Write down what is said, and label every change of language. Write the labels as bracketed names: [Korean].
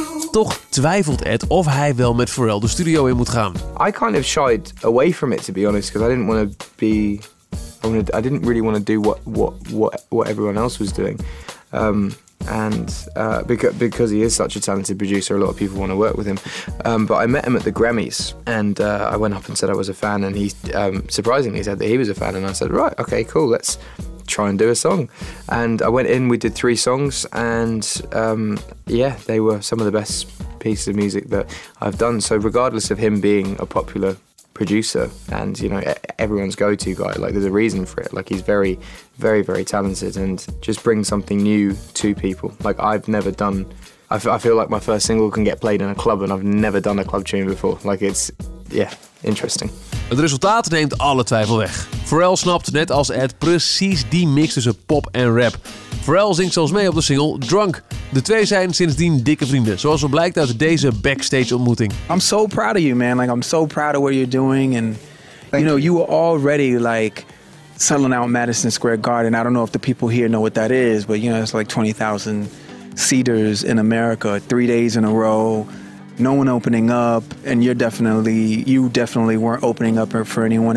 [Dutch] Toch twijfelt Ed of hij wel met Pharrell de studio in moet gaan. [English] I kind of shied away from it, to be honest, because I didn't want to be. I didn't really want to do what everyone else was doing. Because he is such a talented producer, a lot of people want to work with him. But I met him at the Grammys, and I went up and said I was a fan, and he surprisingly said that he was a fan, and I said, right, okay, cool, let's try and do a song. And I went in, we did three songs, and they were some of the best pieces of music that I've done. So regardless of him being a popular producer and, you know, everyone's go-to guy, like, there's a reason for it. Like, he's very, very, very talented and just brings something new to people. Like, I've never done, I feel like my first single can get played in a club and I've never done a club tune before. Like, it's, yeah, interesting. [Dutch] Het resultaat neemt alle twijfel weg. Pharrell snapt, net als Ed, precies die mix tussen pop en rap. Pharrell zingt zelfs mee op de single Drunk. De twee zijn sindsdien dikke vrienden, zoals wel blijkt uit deze backstage ontmoeting. [English] I'm so proud of you, man. Like, I'm so proud of what you're doing. And, you know, you were already, like, selling out Madison Square Garden. I don't know if the people here know what that is, but, you know, it's like 20,000 seaters in America, 3 days in a row. No one opening up, and you definitely weren't opening up for anyone.